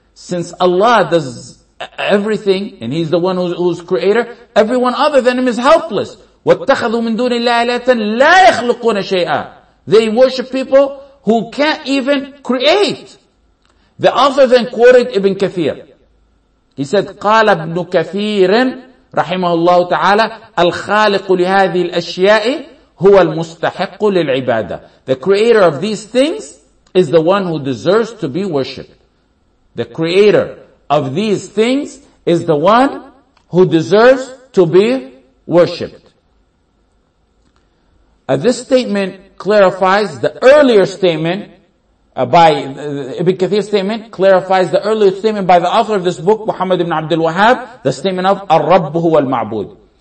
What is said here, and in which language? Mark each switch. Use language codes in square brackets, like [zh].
[en] Since Allah does everything, and He's the one who's creator, everyone other than Him is helpless. [ar] وَاتَّخَذُوا مِن دُونِ اللَّهِ آلِهَةً لَا يَخْلُقُونَ شَيْئًا. [en] They worship people who can't even create. The author then quoted Ibn Kathir. He said, [ar] قال ابن كثير رحمه الله تعالى الخالق لهذه الأشياء هو المستحق للعبادة. [en] The creator of these things is the one who deserves to be worshipped. The creator of these things is the one who deserves to be worshipped. This statement clarifies the earlier statement by Ibn Kathir's statement, clarifies the earlier statement by the author of this book, Muhammad ibn Abdul Wahhab, the statement of Ar-Rabbu huwa al-Ma'bud.